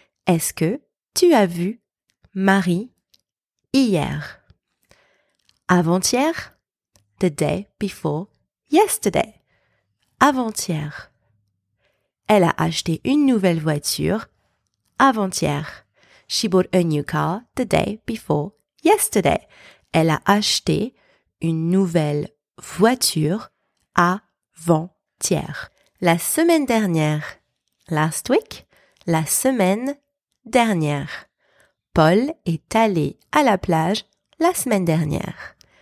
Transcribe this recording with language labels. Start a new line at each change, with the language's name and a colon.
French: Est-ce que tu as vu Marie hier? Avant-hier,
English: the day before yesterday.
French: Avant-hier. Elle a acheté une nouvelle voiture avant-hier.
English: She bought a new car the day before yesterday.
French: Elle a acheté une nouvelle voiture avant-hier. La semaine dernière.
English: Last week.
French: La semaine dernière. Paul est allé à la plage la semaine dernière.